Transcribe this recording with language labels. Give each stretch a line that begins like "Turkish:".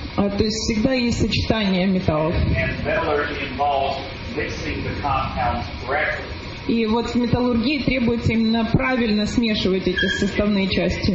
Russian: То есть всегда есть сочетание металлов.
English: And metallurgy involves mixing the compounds correctly.
Russian: И вот в металлургии требуется именно правильно смешивать эти составные части.